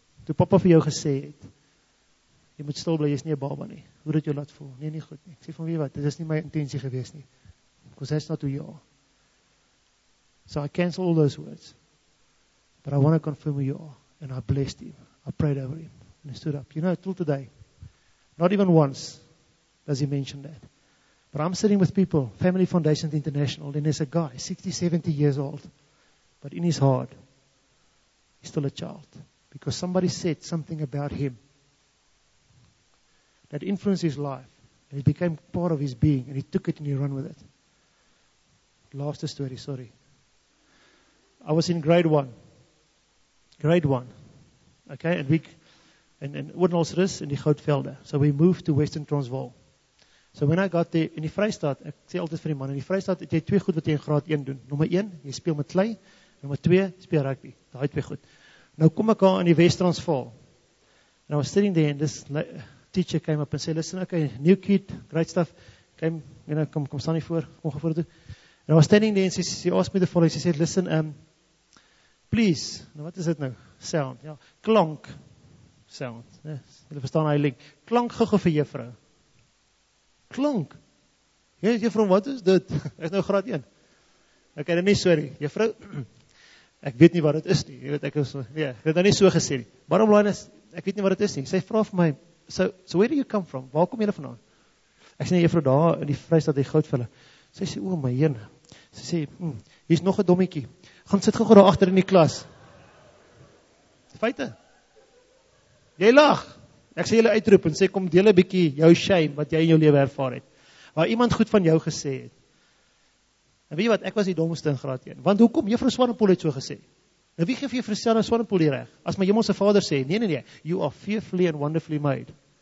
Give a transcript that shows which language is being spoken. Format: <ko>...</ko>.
<af>Toe papa vir jou gesê het, jy moet stil bly, jy is nie 'n baba nie. Hoe het jou laat voel? Nee, nie goed nie. Ek sê, van wie wat? Dit is nie my intentie gewees nie.</af> <en>Because that's not who you are. So I cancel all those words. But I want to confirm who you are. And I blessed him. I prayed over him. And he stood up. You know, till today, not even once does he mention that. But I'm sitting with people, Family Foundation International, and there's a guy, 60, 70 years old, but in his heart, he's still a child. Because somebody said something about him that influenced his life, and it became part of his being, and he took it and he ran with it. Last story, sorry. I was in grade one, okay, and Oudenhulsrus</en> <af>in die Goudvelde.</af> <en>So we moved to Western Transvaal. So when I got there,</en> <af>in die Vrystaat, ek sê altyd vir die man, in die Vrystaat het jy twee goed wat jy in graad 1 doen. Nommer 1, jy speel met klei. Nommer 2, speel rugby. Daai twee goed. Nou kom ek aan in die Wes-Transvaal.</af> <en>And I was sitting there and this teacher came up and said, listen, okay, new kid, great stuff.</en> <af>Kom staan hier voor, kom gevoor toe.</af> <en>And I was standing there and she asked me the following. She said, listen, please,</en> <af>nou wat is dit nou?</af> <en>Sound,</en> <af>ja. Klank. Sound. Yes. Jy verstaan hy link. Klank gou vir juffrou. Klonk. Juffrou, wat is dit? Ek is nou graad 1. Ek het nie sorry. Juffrou, ek weet nie wat dit is nie. Jy weet, ek het nou nie so gesê nie.</af> <en>Bottom line is,</en> <af>ek weet nie wat dit is nie. Sy vra vir my,</af> <en>so where do you come from?</en> <af>Waar kom jy vandaan? Ek sê, juffrou, daar in die Vrystaat, die Goudvelde. Sy sê, oh my heen. Sy sê, hier is nog 'n dommetjie. Gaan sit gou daar agter in die klas. Feite. Jy lag. Ek sê julle uitroep en sê kom deel 'n bietjie jou shame wat jy in jou lewe ervaar het. Waar iemand goed van jou gesê het. En weet jy wat, ek was die domste in graad 1. Want hoekom? Juffrou Swanepoel het so gesê. Nou wie gee vir juffrou Sarah Swanepoel die reg? As my hemelse vader sê, nee,</af> <en>you are fearfully and wonderfully made.</en>